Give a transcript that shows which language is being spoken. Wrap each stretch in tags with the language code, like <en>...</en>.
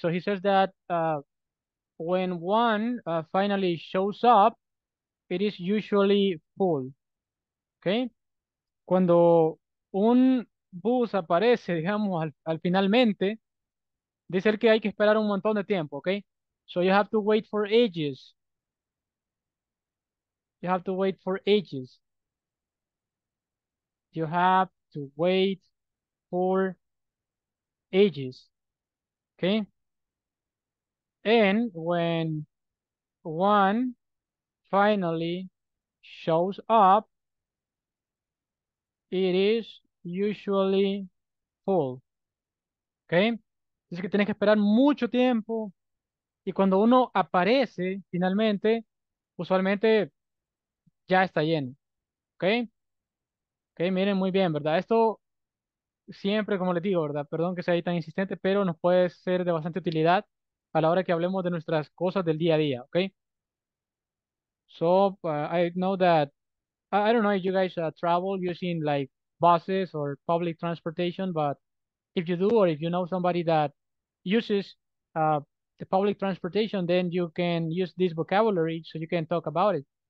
<en>So he says that when one finally shows up, it is usually full. Okay?</en> <es>Cuando un bus aparece, digamos, al finalmente, dice el que hay que esperar un montón de tiempo, okay?</es> <en>So you have to wait for ages. You have to wait for ages. You have to wait for ages. Okay? And when one finally shows up, it is usually full.</en> <es>Okay? Dice que tienes que esperar mucho tiempo. Y cuando uno aparece finalmente, usualmente ya está lleno. Okay? Okay, miren muy bien, ¿verdad? Esto siempre, como les digo, ¿verdad? Perdón que sea ahí tan insistente, pero nos puede ser de bastante utilidad a la hora que hablemos de nuestras cosas del día a día, okay?</es> <en>So, I know that, I don't know if you guys travel using like buses or public transportation, but if you do, or if you know somebody that uses the public transportation, then you can use this vocabulary so you can talk about it.</en>